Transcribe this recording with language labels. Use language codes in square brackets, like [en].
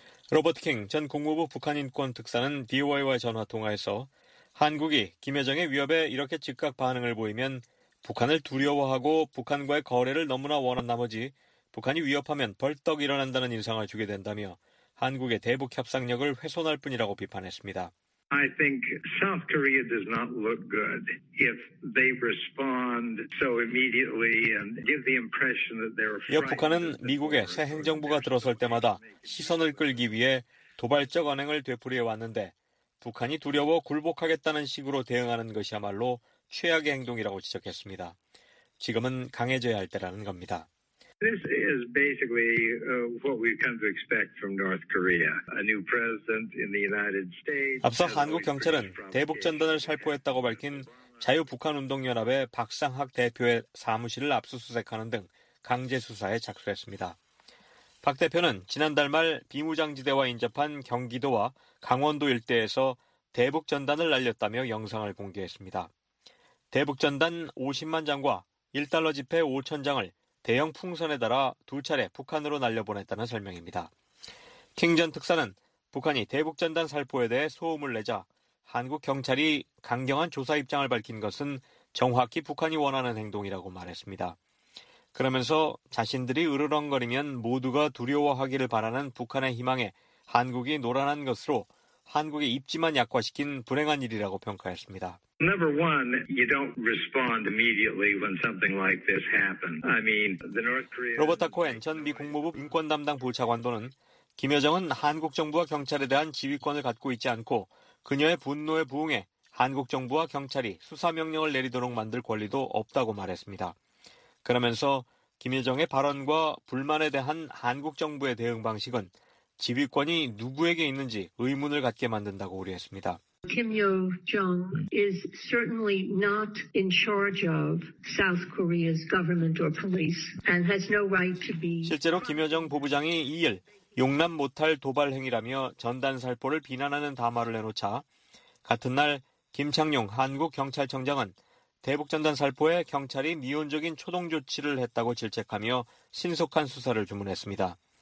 [ko] 로버트 킹 전 국무부 북한인권특사는 DOI와 전화통화에서 한국이 김여정의 위협에 이렇게 즉각 반응을 보이면 북한을 두려워하고 북한과의 거래를 너무나 원한 나머지 북한이 위협하면 벌떡 일어난다는 인상을 주게 된다며 한국의 대북 협상력을 훼손할 뿐이라고 비판했습니다. [en] I think South Korea does not look good if they respond so immediately and give the impression that they're afraid. [ko] 북한은 미국의 새 행정부가 들어설 때마다 시선을 끌기 위해 도발적 언행을 되풀이해 왔는데 북한이 두려워 굴복하겠다는 식으로 대응하는 것이야말로 최악의 행동이라고 지적했습니다. 지금은 강해져야 할 때라는 겁니다. [en] This is basically what we've come to expect from North Korea. A new president in the United States. [ko] 앞서 한국 경찰은 대북 전단을 살포했다고 밝힌 자유북한운동연합의 박상학 대표의 사무실을 압수수색하는 등 강제 수사에 착수했습니다. 박 대표는 지난달 말 비무장지대와 인접한 경기도와 강원도 일대에서 대북 전단을 날렸다며 영상을 공개했습니다. 대북 전단 50만 장과 1달러 지폐 5천 장을 대형 풍선에 달아 두 차례 북한으로 날려보냈다는 설명입니다. 킹 전 특사는 북한이 대북전단 살포에 대해 소음을 내자 한국 경찰이 강경한 조사 입장을 밝힌 것은 정확히 북한이 원하는 행동이라고 말했습니다. 그러면서 자신들이 으르렁거리면 모두가 두려워하기를 바라는 북한의 희망에 한국이 노란한 것으로 한국의 입지만 약화시킨 불행한 일이라고 평가했습니다. [en] Number one, you don't respond immediately when something like this happens. I mean, the North Korea. [ko] 로버타 코엔 전 미 국무부 인권 담당 부차관도는 김여정은 한국 정부와 경찰에 대한 지휘권을 갖고 있지 않고 그녀의 분노에 부응해 한국 정부와 경찰이 수사 명령을 내리도록 만들 권리도 없다고 말했습니다. 그러면서 김여정의 발언과 불만에 대한 한국 정부의 대응 방식은 지휘권이 누구에게 있는지 의문을 갖게 만든다고 우려했습니다. [en] Kim Yo-jong is certainly not in charge of South Korea's government or police and has no right to be. [ko] 실제로 김여정 부부장이 2일 용납 못할 도발 행위라며 전단 살포를 비난하는 담화를 내놓자 같은 날 김창룡 한국경찰청장은 대북전단 살포에 경찰이 미온적인 초동 조치를 했다고 질책하며 신속한 수사를 주문했습니다.